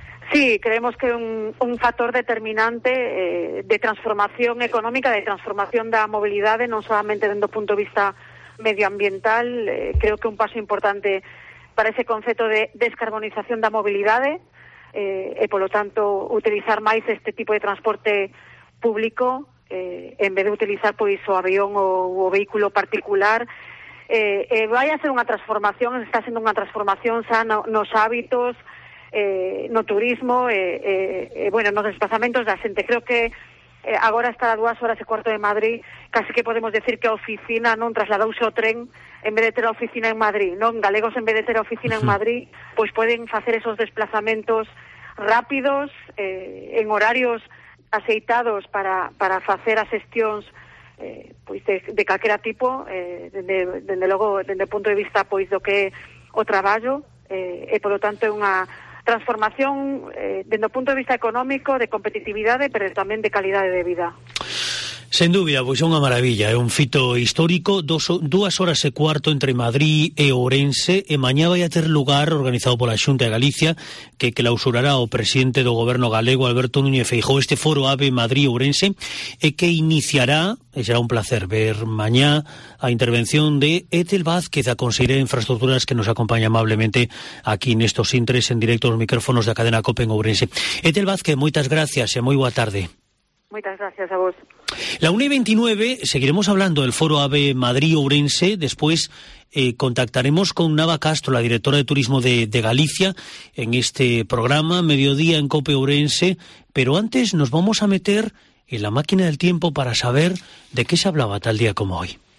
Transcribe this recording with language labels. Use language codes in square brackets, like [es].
[gl] Sí, creemos que un factor determinante de transformación económica, de transformación da movilidade, non solamente dentro do punto de vista medioambiental, creo que un paso importante para ese concepto de descarbonización da movilidade, e, polo tanto, utilizar máis este tipo de transporte público, en vez de utilizar pois, o avión ou o vehículo particular. Vai a ser unha transformación, está sendo unha transformación xa nos hábitos, no turismo, bueno, nos desplazamentos da xente. Creo que agora está a 2:15 de Madrid, casi que podemos decir que a oficina non trasladouse o tren en vez de ter a oficina en Madrid, non? Galegos en vez de ter a oficina en Madrid, pois poden facer esos desplazamentos rápidos, en horarios aceitados para facer as xestións pois de calquera tipo, dende logo, dende o punto de vista pois do que é o traballo, e polo tanto é unha transformación dende o punto de vista económico, de competitividade, pero tamén de calidade de vida. Sen dúbida, pois é unha maravilla, é un fito histórico, 2:15 entre Madrid e Ourense, e mañá vai a ter lugar, organizado pola Xunta de Galicia, que clausurará o presidente do goberno galego, Alberto Núñez Feijóo, este foro AVE Madrid-Ourense, e que iniciará, e será un placer ver mañá, a intervención de Etel Vázquez, a conselleira de Infraestructuras, que nos acompaña amablemente aquí nestos intres en directo aos micrófonos da cadena COPE en Ourense. Etel Vázquez, moitas gracias e moi boa tarde. [es] Muchas gracias a vos. La 1:29, seguiremos hablando del foro AVE Madrid-Ourense, después contactaremos con Nava Castro, la directora de turismo de Galicia, en este programa, mediodía en COPE Ourense, pero antes nos vamos a meter en la máquina del tiempo para saber de qué se hablaba tal día como hoy.